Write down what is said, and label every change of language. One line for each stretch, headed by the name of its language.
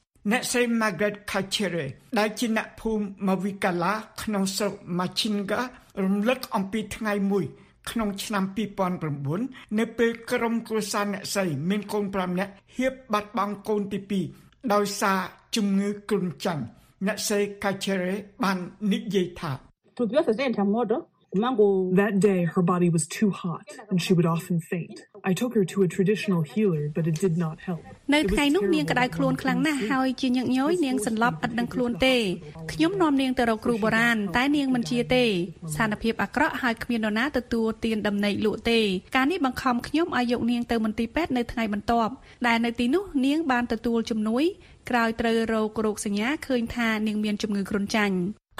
Khmer: អ្នកស្រី Margaret Kachere ដែលជាអ្នកភូមិ Mavikala ក្នុងស្រុក Machinga រំលឹកអំពីថ្ងៃមួយក្នុងឆ្នាំ2009នៅពេលក្រុមគ្រួសារអ្នកស្រីមានកូន5នាក់ហៀបបាត់បង់កូនទី2ដោយសារជំងឺគ្រុនចាញ់អ្នកស្រី Kachere បាននិយាយថា
English: That day, her body was too hot, and she would often faint. I took her to a traditional healer, but it did not help.
Khmer: នៅថ្ងៃនោះនាងក្តៅខ្លួនខ្លាំងណាស់ហើយជាញឹកញយនាងសន្លប់ឥតដឹងខ្លួនទេ។ខ្ញុំនាំនាងទៅរកគ្រូបុរាណតែនាងមិនជាទេ។ស្ថានភាពអាក្រក់ហើយគ្មាននរណាទទួលទានដំណេកលក់ទេ។ការនេះបង្ខំខ្ញុំឲ្យយកនាងទៅមន្ទីរពេទ្យនៅថ្ងៃបន្ទាប់ដែលនៅទីនោះនាងបានទទួលជំនួយក្រោយត្រូវរោគសញ្ញាឃើញថានាងមានជំងឺគ្រុនចាញ់។